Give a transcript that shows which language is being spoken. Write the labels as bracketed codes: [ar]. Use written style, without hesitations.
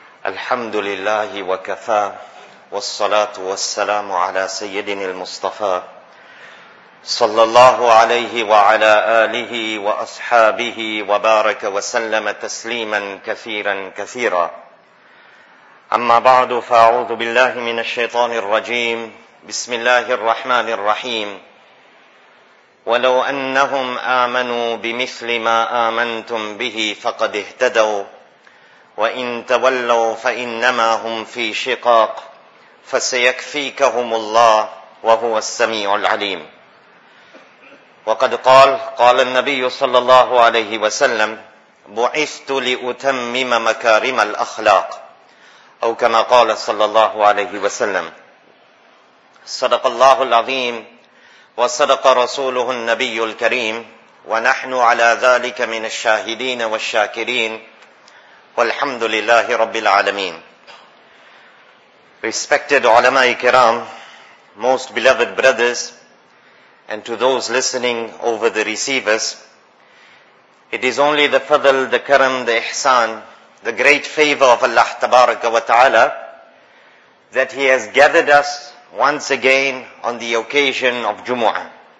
[ar] আলহামদুলিল্লাহি ওয়া কাফা ওয়া সলাতু ওয়া সালামু আলা সাইয়্যিদিনিল মুস্তাফা সাল্লাল্লাহু আলাইহি ওয়া আলা আলিহি ওয়া আসহাবিহি ওয়া বারাকা ওয়া সাল্লামা তাসলিমান কাসীরান কাসীরা। আম্মা বা'দু, ফাআউযু বিল্লাহি মিনাশ শাইতানির রাজীম, বিসমিল্লাহির রহমানির রহিম। ولو انهم امنوا بمثل ما امنتم به فقد اهتدوا وان تولوا فانما هم في شقاق فسيكفيكهم الله وهو السميع العليم وقد قال النبي صلى الله عليه وسلم بعثت لاتمم مكارم الاخلاق او كما قال صلى الله عليه وسلم صدق الله العظيم وصدق رسوله النبي الكريم ونحن على ذلك من الشاهدين والشاكرين والحمد لله رب العالمين. [en] Respected [ar] علماء الكرام, [en] most beloved brothers, and to those listening over the receivers, it is only the fadl, the karam, the ihsan, the great favor of Allah [ar] tabaraka wa ta'ala [en] that he has gathered us once again on the occasion of Jumu'ah.